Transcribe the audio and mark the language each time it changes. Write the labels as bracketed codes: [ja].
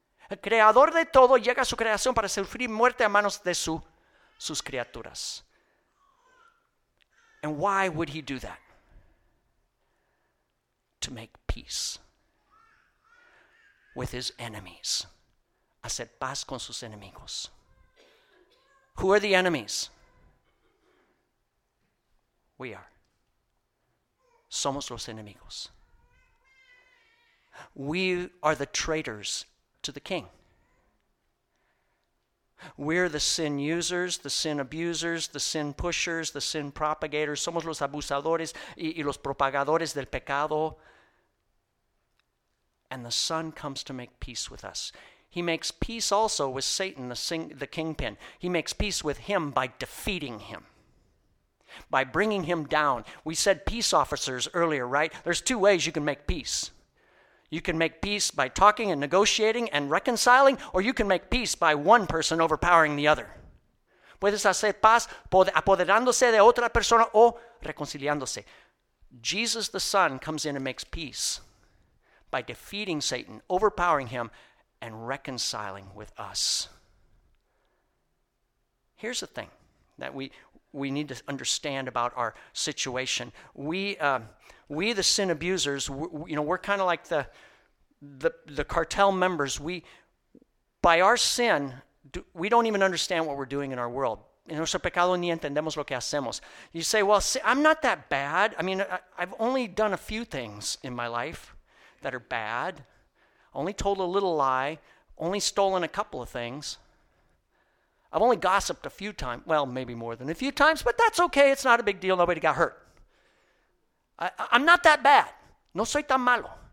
[es] El creador de todo llega a su creación para sufrir muerte a manos de sus criaturas. [en] And why would he do that? To make peace with his enemies. [es] Hacer paz con sus enemigos. [en] Who are the enemies? We are. [es] Somos los enemigos. [en] We are the traitors to the king. We're the sin users, the sin abusers, the sin pushers, the sin propagators. [es] Somos los abusadores y los propagadores del pecado. [en] And the Son comes to make peace with us. He makes peace also with Satan, the kingpin. He makes peace with him by defeating him, by bringing him down. We said peace officers earlier, right? There's two ways you can make peace. You can make peace by talking and negotiating and reconciling, or you can make peace by one person overpowering the other. [es] Puedes hacer paz apoderándose de otra persona o reconciliándose. [en] Jesus the Son comes in and makes peace by defeating Satan, overpowering him, and reconciling with us. Here's the thing that we need to understand about our situation. We the sin abusers, we're kind of like the cartel members. We, by our sin, we don't even understand what we're doing in our world. [es] En nuestro pecado ni entendemos lo que hacemos. [en] You say, well, see, I'm not that bad. I mean, I've only done a few things in my life that are bad, only told a little lie, only stolen a couple of things. I've only gossiped a few times. Well, maybe more than a few times, but that's okay. It's not a big deal. Nobody got hurt. I'm not that bad. [es] No soy tan malo.